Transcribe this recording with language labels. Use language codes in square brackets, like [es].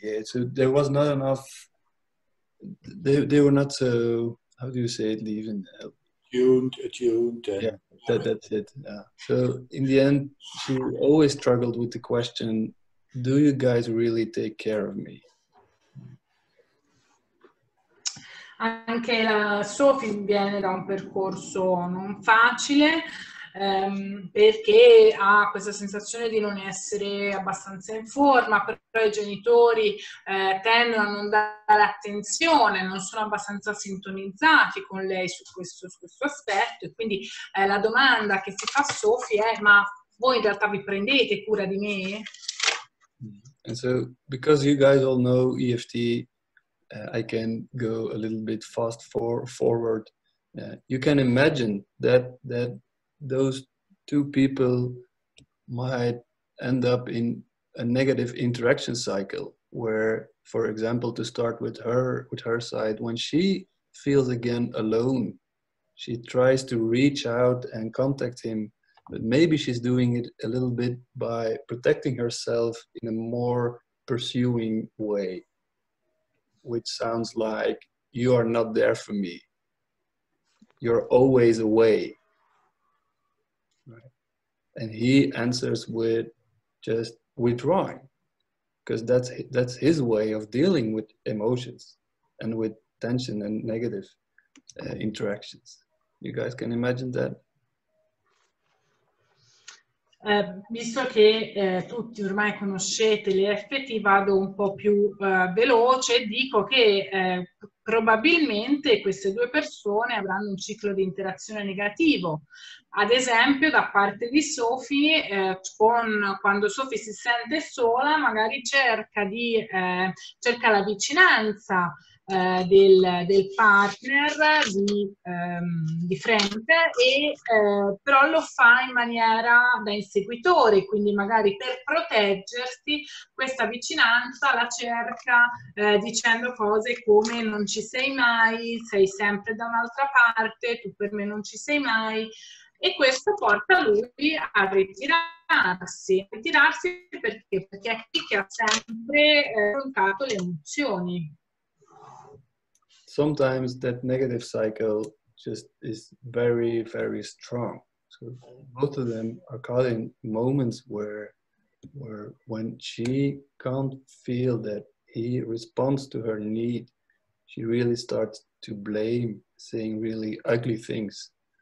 [en] So there was not enough. They were not so, how do you say it, even. Attuned. Yeah, that's it. Yeah. So in the end, she always struggled with the question, do you guys really take care of me? [it] Anche la Sophie viene da un percorso non facile, perché ha questa sensazione di non essere abbastanza in forma, però i genitori tendono a non dare attenzione, non sono abbastanza sintonizzati con lei su questo aspetto, e quindi la domanda che si fa a Sophie è: ma voi in realtà vi prendete cura di me? [en] And so, because you guys all know EFT, I can go a little bit fast forward. You can imagine that those two people might end up in a negative interaction cycle where, for example, to start with her side, when she feels again alone, she tries to reach out and contact him, but maybe she's doing it a little bit by protecting herself in a more pursuing way, which sounds like, you are not there for me, you're always away. And he answers with just withdrawing, because that's his way of dealing with emotions and with tension and negative interactions. You guys can imagine that? [it] Visto che tutti ormai conoscete l'EFT, vado un po' più veloce e dico che probabilmente queste due persone avranno un ciclo di interazione negativo. Ad esempio, da parte di Sophie, quando Sophie si sente sola, magari cerca la vicinanza del partner di Frank, però lo fa in maniera da inseguitore, quindi magari per proteggersi questa vicinanza la cerca dicendo cose come: non ci sei mai, sei sempre da un'altra parte, tu per me non ci sei mai. E questo porta lui a ritirarsi perché è chi che ha sempre affrontato le emozioni. [en] Sometimes that negative cycle just is very, very strong. So both of them are caught in moments where when she can't feel that he responds to her need, she really starts to blame, saying really ugly things.